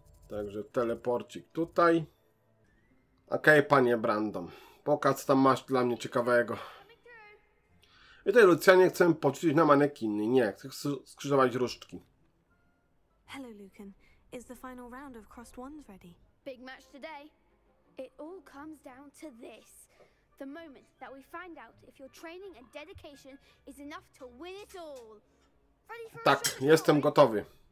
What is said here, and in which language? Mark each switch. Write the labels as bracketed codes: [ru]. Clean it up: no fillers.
[pl] Także teleporcik tutaj. Okej, okay, panie Brandon, pokaż co tam masz dla mnie ciekawego. I tutaj Lucjanie chcę poczuć na manekiny, nie, chcę skrzyżować różdżki. [en] Hello, Lucan. Is the final round of Crossed Wands ready? Big match today. It all comes down to this. The moment that we find out if your training and dedication is enough to win it all. Ready for [pl] tak, jestem gotowy.